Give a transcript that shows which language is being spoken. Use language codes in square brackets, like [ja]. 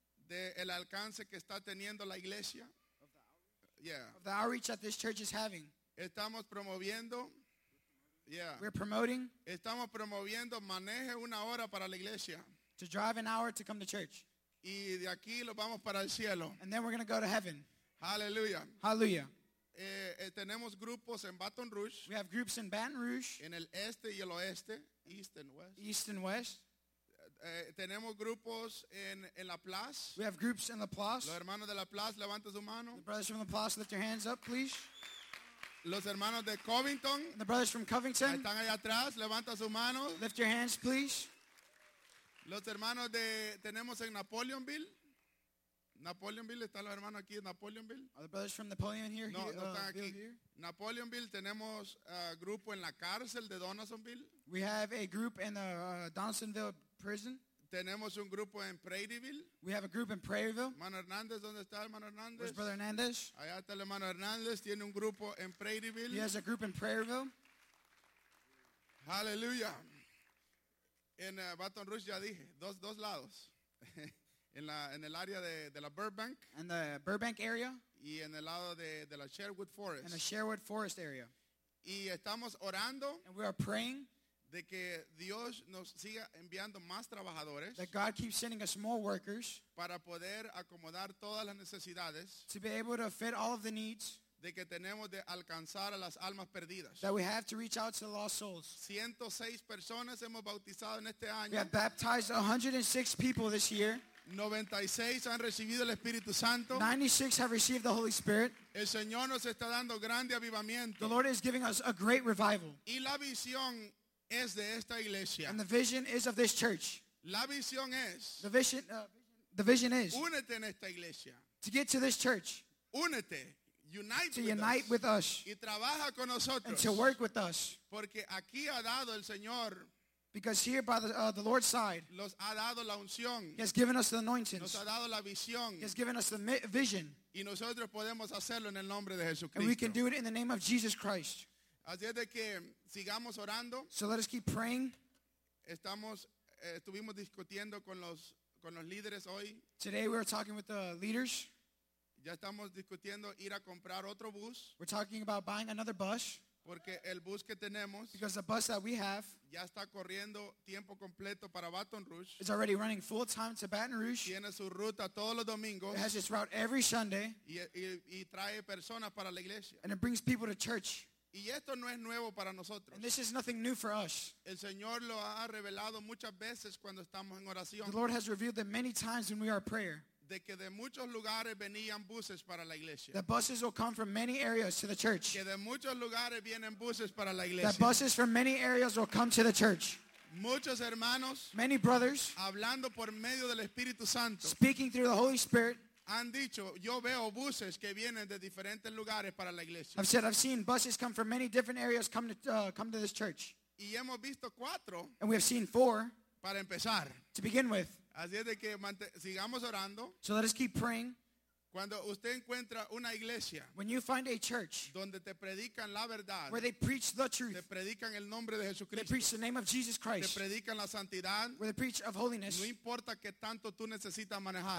[es] De el alcance que está teniendo la iglesia. [en] Of the outreach. Yeah. Of the outreach that this church is having. [es] Estamos promoviendo. Yeah. [en] We're promoting. [es] Estamos promoviendo maneje una hora para la iglesia. [en] To drive an hour to come to church. [es] Y de aquí lo vamos para el cielo. [en] And then we're going to go to heaven. Hallelujah. Hallelujah. [es] Tenemos grupos en Baton Rouge. [en] We have groups in Baton Rouge. [es] En el este y el oeste. [en] East and west. East and west. [es] Tenemos grupos en La Place. [en] We have groups in La Place. [es] Los hermanos de La Place, levanten su mano. [en] The brothers from La Place, lift your hands up, please. [es] Los hermanos de Covington. [en] And the brothers from Covington. [es] Están allá atrás, levanta su mano. [en] Lift your hands, please. [es] Los hermanos de, tenemos en Napoleonville. Napoleonville, están los hermanos aquí en Napoleonville. [en] Are the brothers from Napoleon here? [es] No, no están aquí. Napoleonville, tenemos grupo en la cárcel de Donaldsonville. [en] We have a group in the Donaldsonville prison. [es] Tenemos un grupo en Prairieville. [en] We have a group in Prairieville. [es] Hermano Hernández, ¿dónde está el hermano Hernández? [en] Where's Brother Hernández? [es] Allá está el hermano Hernández, tiene un grupo en Prairieville. [en] He has a group in Prairieville. [es] Hallelujah. En Baton Rouge, ya dije, dos lados. En el área de la Burbank. [en] And the Burbank area. [es] Y en el lado de la Sherwood Forest. [en] And the Sherwood Forest area. [es] Y estamos orando. [en] And we are praying. [es] De que Dios nos siga enviando más trabajadores. [en] That God keeps sending us more workers. [es] Para poder acomodar todas las necesidades. [en] To be able to fit all of the needs. [es] De que tenemos de alcanzar a las almas perdidas. [en] That we have to reach out to the lost souls. [es] 106 personas hemos bautizado en este año. [en] We have baptized 106 people this year. [es] 96 han recibido el Espíritu Santo. [en] 96 have received the Holy Spirit. [es] El Señor nos está dando grande avivamiento. [en] The Lord is giving us a great revival. [es] Y la visión es de esta iglesia. [en] And the vision is of this church. [es] La visión es. [en] The vision is. [es] Únete en esta iglesia. [en] To get to this church. [es] Únete. [en] Unite to unite with us. [es] Y trabaja con nosotros. [en] And to work with us. [es] Porque aquí ha dado el Señor. [en] Because here by the Lord's side, [es] los ha dado la unción. [en] He has given us the anointings. [es] Nos ha dado la visión. [en] He has given us the vision. [es] Y nosotros podemos hacerlo en el nombre de Jesucristo. [en] And we can do it in the name of Jesus Christ. [es] Así es de que sigamos orando. [en] So let us keep praying. [es] Estuvimos discutiendo con los líderes hoy. [en] Today we were talking with the leaders. [es] Ya estamos discutiendo ir a comprar otro bus. [en] We're talking about buying another bus. [es] Porque el bus que tenemos, [en] because the bus that we have, [es] ya está corriendo tiempo completo para Baton Rouge. [en] It's already running full time to Baton Rouge. [es] Tiene su ruta todos los domingos. [en] It has its route every Sunday. [es] Y trae personas para la iglesia. [en] And it brings people to church. [es] Y esto no es nuevo para nosotros. [en] And this is nothing new for us. [es] El Señor lo ha revelado muchas veces cuando estamos en oración. [en] The Lord has revealed it many times when we are in prayer. [es] De que de muchos lugares venían buses para la iglesia. [en] The buses will come from many areas to the church. [es] Que de muchos lugares vienen buses para la iglesia. [en] The buses from many areas will come to the church. [es] Muchos hermanos, [en] many brothers, [es] hablando por medio del Espíritu Santo, [en] speaking through the Holy Spirit, [es] han dicho, yo veo buses que vienen de diferentes lugares para la iglesia. [en] I've said I've seen buses come from many different areas come to this church. [es] Y hemos visto cuatro. [en] And we have seen four. [es] Para empezar. [en] To begin with. [es] Así es de que sigamos orando. [en] So let us keep praying. [es] Cuando usted encuentra una iglesia, [en] when you find a church, [es] donde te predican la verdad, [en] where they preach the truth, [es] te predican el nombre de Jesucristo, [en] they preach the name of Jesus Christ, [es] te predican la santidad, [en] where they preach of holiness, [es] no importa qué tanto tú necesitas manejar,